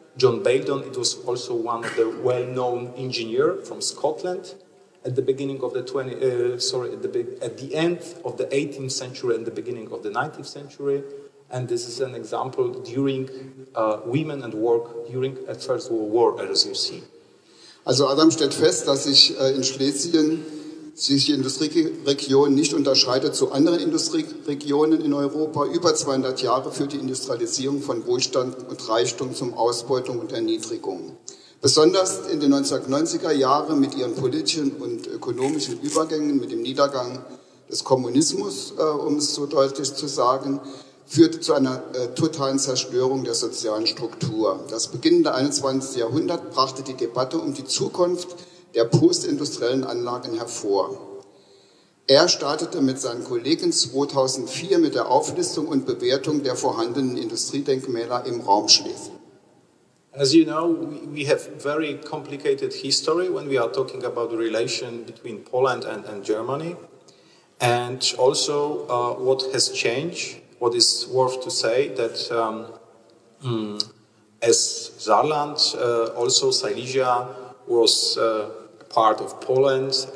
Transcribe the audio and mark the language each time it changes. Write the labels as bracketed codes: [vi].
[en] John Baildon, it was also one of the well-known engineer from Scotland. At the beginning of the end of the 18th century and the beginning of the 19th century, and this is an example during women and work during the First World War, as you see. [de] Also Adam stellt fest, dass sich in Schlesien die Industrieregion nicht unterscheidet zu anderen Industrieregionen in Europa. Über 200 Jahre führt die Industrialisierung von Wohlstand und Reichtum zum Ausbeutung und Erniedrigung. Besonders in den 1990er Jahren mit ihren politischen und ökonomischen Übergängen, mit dem Niedergang des Kommunismus, um es so deutlich zu sagen, führte zu einer totalen Zerstörung der sozialen Struktur. Das beginnende 21. Jahrhundert brachte die Debatte um die Zukunft der postindustriellen Anlagen hervor. Er startete mit seinen Kollegen 2004 mit der Auflistung und Bewertung der vorhandenen Industriedenkmäler im Raum Schlesien. [en] As you know, we have very complicated history when we are talking about the relation between Poland and Germany. And also what has changed, what is worth to say, that as Saarland, also Silesia was part of Poland.